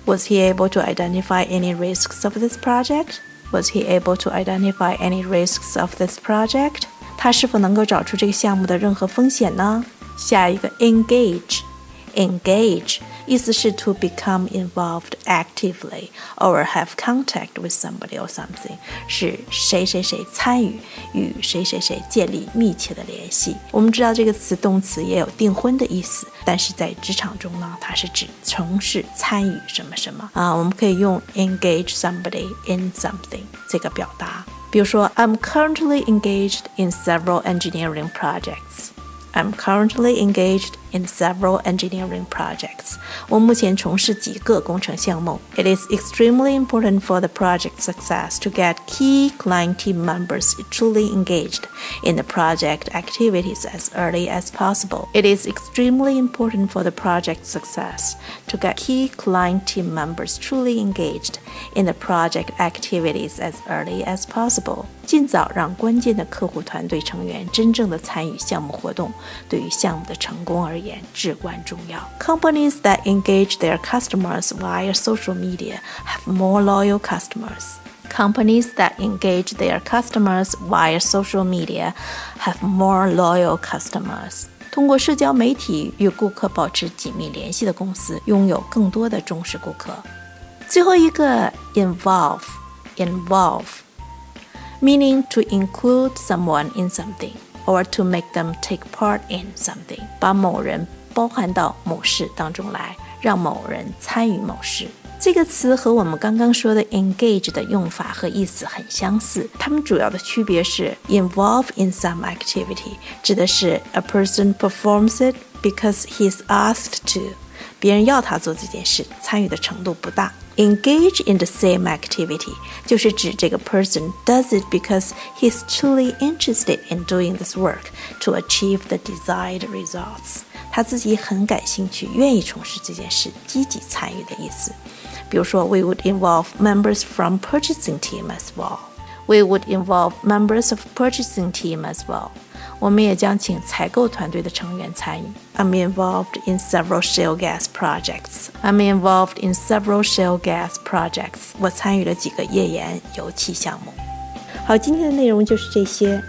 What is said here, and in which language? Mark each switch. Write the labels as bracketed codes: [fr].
[en] Was he able to identify any risks of this project? Was he able to identify any risks of this project? [zh] 他是否能够找出这个项目的任何风险呢？下一个 [en] engage， engage [zh] 意思是 [en] to become involved actively or have contact with somebody or something， [zh] 是谁谁谁参与与谁谁谁建立密切的联系。我们知道这个词动词也有订婚的意思，但是在职场中呢，它是指从事参与什么什么我们可以用 [en] engage somebody in something [zh] 这个表达。比如说 [en] I'm currently engaged in several engineering projects. I'm currently engaged in several engineering projects. [zh] 我目前从事几个工程项目。 [en] It is extremely important for the project success to get key client team members truly engaged in the project activities as early as possible. It is extremely important for the project success to get key client team members truly engaged in the project activities as early as possible. [zh] 尽早让关键的客户团队成员真正的参与项目活动，对于项目的成功而言至关重要。 [en] Companies that engage their customers via social media have more loyal customers. Companies that engage their customers via social media have more loyal customers. [zh] 通过社交媒体与顾客保持紧密联系的公司拥有更多的忠实顾客。最后一个 [en] involve， involve meaning to include someone in something or to make them take part in something， [zh] 把某人包含到某事当中来，让某人参与某事。这个词和我们刚刚说的 engage 的用法和意思很相似，它们主要的区别是 [en] involve in some activity [zh] 指的是 [en] a person performs it because he's asked to， [zh] 别人要他做这件事，参与的程度不大。 [en] Engage in the same activity [zh] 就是指这个 [en] person does it because he's truly interested in doing this work to achieve the desired results. [zh] 他自己很感兴趣，愿意从事这件事，积极参与的意思。比如说 [en] ,we would involve members from purchasing team as well. We would involve members of purchasing team as well. [zh] 我们也将请采购团队的成员参与。 [en] I'm involved in several shale gas projects. I'm involved in several shale gas projects. [zh] 我参与了几个页岩油气项目。好，今天的内容就是这些。